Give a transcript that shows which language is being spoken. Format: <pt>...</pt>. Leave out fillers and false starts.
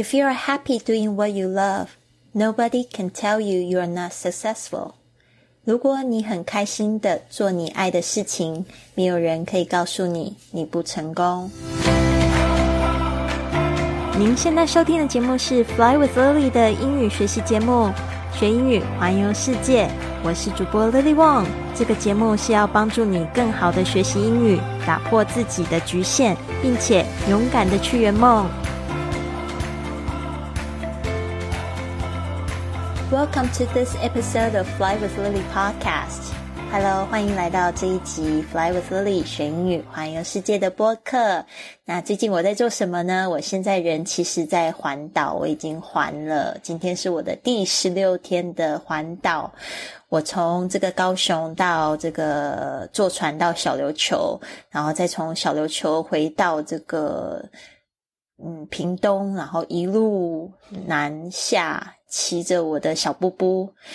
<en>If you are happy doing what you love, nobody can tell you you are not successful.</en> <zh>如果你很开心地做你爱的事情，没有人可以告诉你你不成功。您现在收听的节目是 Fly with Lily 的英语学习节目，学英语环游世界。我是主播 Lily Wong。这个节目是要帮助你更好地学习英语，打破自己的局限，并且勇敢地去圆梦。</zh> <en>Welcome to this episode of Fly with Lily podcast.</en> <zh>Hello, 欢迎来到这一集 Fly with Lily 学英语环游世界的播客。那最近我在做什么呢？我现在人其实在环岛，我已经环了。今天是我的第16天的环岛。我从这个高雄到这个坐船到小琉球，然后再从小琉球回到这个屏东，然后一路南下，骑着我的小布布，</zh>